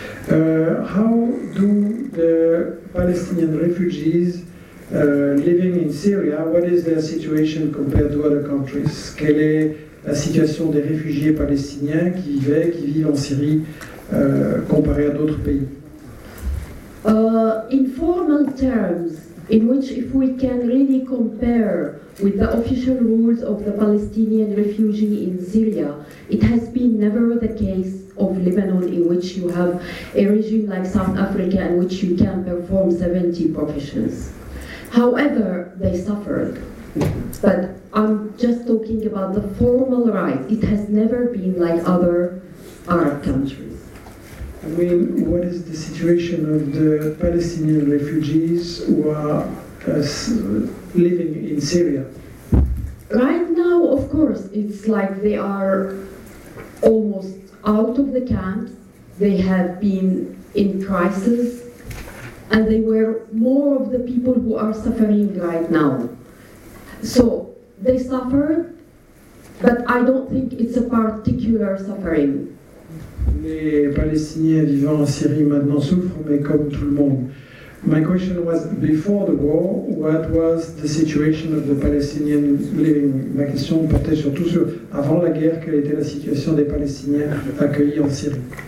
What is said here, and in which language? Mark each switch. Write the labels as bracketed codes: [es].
[en] How do the Palestinian refugees living in Syria, what is their situation compared to other countries? [fr] Quelle est la situation des réfugiés palestiniens qui vivent en Syrie comparé à d'autres pays? [en] In formal terms, in which if we can really compare with the official rules of the Palestinian refugee in Syria, it has been never the case of Lebanon in which you have a regime like South Africa in which you can perform 70 professions. However, they suffered. But I'm just talking about the formal right. It has never been like other Arab countries. I mean, what is the situation of the Palestinian refugees who are living in Syria? Right now, of course, it's like they are almost out of the camps, they have been in crisis, and they were more of the people who are suffering right now. So they suffered, but I don't think it's a particular suffering. [fr] les Palestiniens vivant en Syrie maintenant souffrent, mais comme tout le monde. [en] My question was, before the war, what was the situation of the Palestinian living? [fr] Ma question portait surtout sur, avant la guerre, quelle était la situation des Palestiniens accueillis en Syrie?